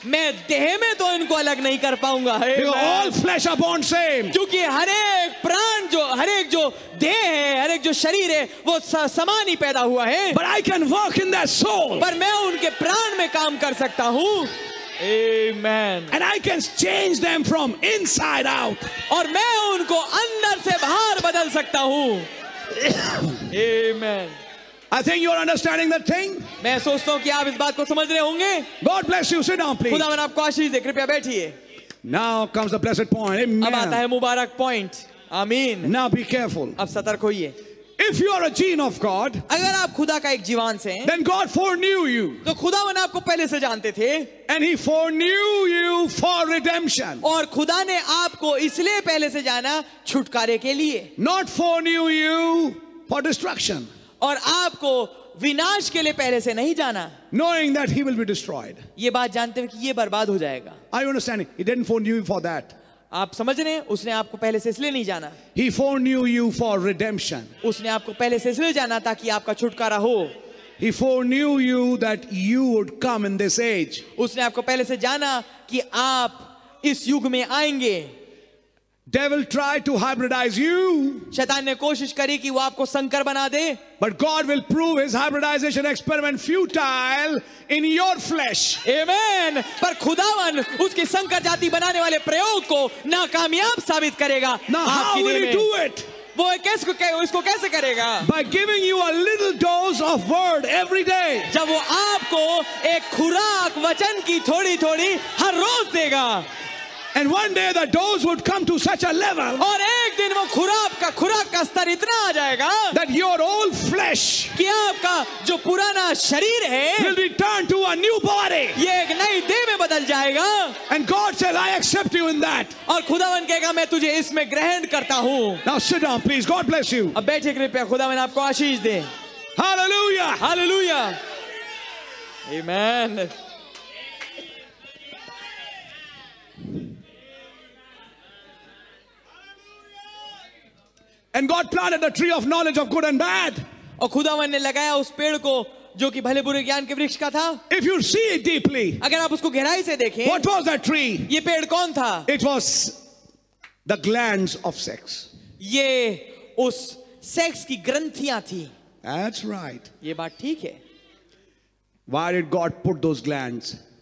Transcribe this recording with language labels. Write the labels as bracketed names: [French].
[Hindi] मैं देह में तो इनको अलग नहीं कर पाऊंगा. [English] All flesh are born same. [Hindi] क्योंकि हर एक प्राण जो, हर एक जो देह है, हर एक जो शरीर है, वो समान ही पैदा हुआ है. [English] But I can work in their soul. [Hindi] पर मैं उनके प्राण में काम कर सकता हूँ. [English] Amen. And I can change them from inside out. [Hindi] और मैं उनको अंदर से बाहर बदल सकता हूँ. [English] Amen. I think you are understanding that thing. [Hindi] मैं सोचता हूँ कि आप इस बात को समझ रहे होंगे. [English] God bless you. Sit down, please. [Hindi] खुदावन आपको आशीष दे. कृपया बैठिए. [English] Now comes the blessed point. Amen. [Hindi] अब आता है मुबारक पॉइंट. आमीन. [English] Now be careful. [Hindi] अब सतर्क होइए. [English] If you are a gene of God, [Hindi] अगर आप खुदा का एक जीवांश हैं, [English] then God foreknew you. [Hindi] तो खुदावन आपको पहले से जानते थे. [English] And He foreknew you for redemption. [Hindi] और खुदा ने आपको इसलिए पहले से जाना छुटकारे के लिए. [English] Not foreknew you for destruction. [Hindi] और आपको विनाश के लिए पहले से नहीं जाना. [English] Knowing that he will be destroyed. [Hindi] ये बात जानते हुए कि ये बर्बाद हो जाएगा. [English] I understand. He didn't foreknew you for that. [Hindi] आप समझ रहे हैं, उसने आपको पहले से इसलिए नहीं जाना. [English] He foreknew you for redemption. [Hindi] उसने आपको पहले से इसलिए जाना ताकि आपका छुटकारा हो. [English] He foreknew you that you would come in this age. [Hindi] उसने आपको पहले से जाना कि आप इस युग में आएंगे. [English] Devil tried to hybridize you. [Hindi] शैतान ने कोशिश करी कि वो आपको संकर बना दे. [English] But God will prove his hybridization experiment futile in your flesh. Amen. [Hindi] पर खुदावन उसके संकर जाति बनाने वाले प्रयोग को नाकामयाब साबित करेगा. [English] Now how will he do it? [Hindi] वो इसको कैसे करेगा? [English] By giving you a little dose of word every day. [Hindi] जब वो आपको एक खुराक वचन की थोड़ी थोड़ी हर रोज देगा. [English] And one day the dose would come to such a level. [Hindi] और एक दिन वो खुराक का स्तर इतना आ जाएगा. [English] That your old flesh. [Hindi] कि आपका जो पुराना शरीर है. [English] Will be turned to a new body. [Hindi] ये एक नई देह में बदल जाएगा. [English] And God says, I accept you in that. [Hindi] और खुदावन कहेगा मैं तुझे इसमें ग्रहण करता हूँ. [English] Now sit down, please. God bless you. [Hindi] अब बैठिए कृपया. खुदावन आपको आशीष दे. [English] Hallelujah. Hallelujah. Amen. And God planted the tree of knowledge of good and bad. [Hindi] और खुदावन ने लगाया उस पेड़ को जो कि भले बुरे ज्ञान के वृक्ष का था. [English] If you see it deeply, [Hindi] अगर आप उसको गहराई से देखें, [English] what was that tree? [Hindi] ये पेड़ कौन था? [English] It was the glands of sex. [Hindi] ये उस सेक्स की ग्रंथियां थी. [English] That's right. [Hindi] ये बात ठीक है. [English] Why did God put those glands?